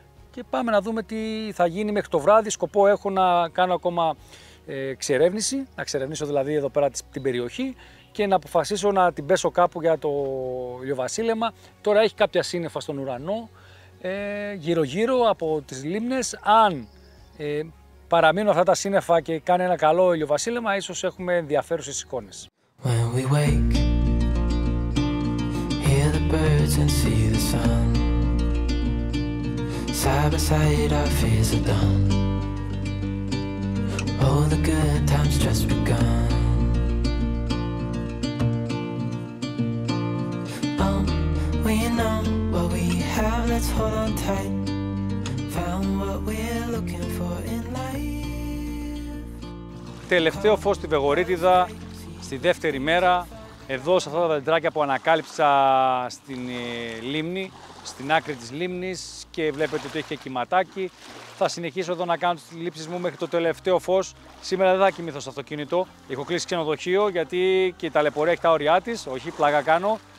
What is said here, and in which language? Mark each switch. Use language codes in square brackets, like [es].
[el] Και πάμε να δούμε τι θα γίνει μέχρι το βράδυ. Σκοπό έχω να κάνω ακόμα εξερεύνηση, να εξερευνήσω δηλαδή εδώ πέρα την περιοχή και να αποφασίσω να την πέσω κάπου για το ηλιοβασίλεμα. Τώρα έχει κάποια σύννεφα στον ουρανό γύρω-γύρω από τις λίμνες. Αν παραμείνω αυτά τα σύννεφα και κάνει ένα καλό ηλιοβασίλεμα, ίσως έχουμε ενδιαφέρουσες εικόνες. [en] When we wake, hear the birds and see the sun. Side by side our fears are done. All the good times just begun. Oh, we know what we have, let's hold on tight. Found what we're looking for in life. [el] Τελευταίο φως στη Βεγορίτιδα, στη δεύτερη μέρα, εδώ σε αυτά τα δεντράκια που ανακάλυψα στην λίμνη, στην άκρη της λίμνης και βλέπετε ότι έχει και κυματάκι. Θα συνεχίσω εδώ να κάνω τις λήψεις μου μέχρι το τελευταίο φως. Σήμερα δεν θα κοιμηθώ στο αυτοκίνητο, έχω κλείσει ξενοδοχείο γιατί και η ταλαιπωρία έχει τα όρια της, όχι πλάκα κάνω.